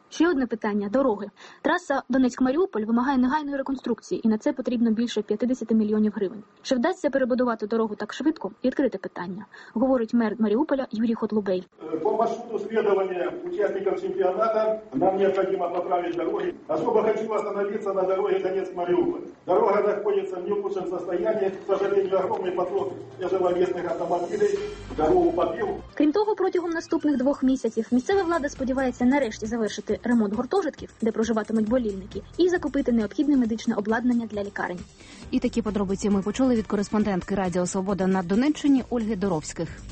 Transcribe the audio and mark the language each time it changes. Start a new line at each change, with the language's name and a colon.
Ukrainian: Ще одне питання – дороги. Траса Донецьк-Маріуполь вимагає негайної реконструкції, і на це потрібно більше 50 мільйонів гривень. Чи вдасться перебудувати дорогу так швидко – відкрите питання, говорить мер Маріуполя Юрій Хотлубей. По маршруту слідування учасникам чемпіонату нам необхідно поправити дороги.
Russian: Особо хочу остановиться на дороге Донецьк-Маріуполь. Дорога
Ukrainian: знаходиться
Russian: в неукучному состоянии. К сожалению, огромный поток тяжеловесных автомобилей дорогу побив.
Ukrainian: Крім того, протягом наступних двох місяців місцева влада сподівається нарешті завершити ремонт гуртожитків, де проживатимуть болівники, і закупити необхідне медичне обладнання для лікарень. І такі подробиці ми почули від кореспондентки Радіо Свобода на Донеччині Ольги Доровських.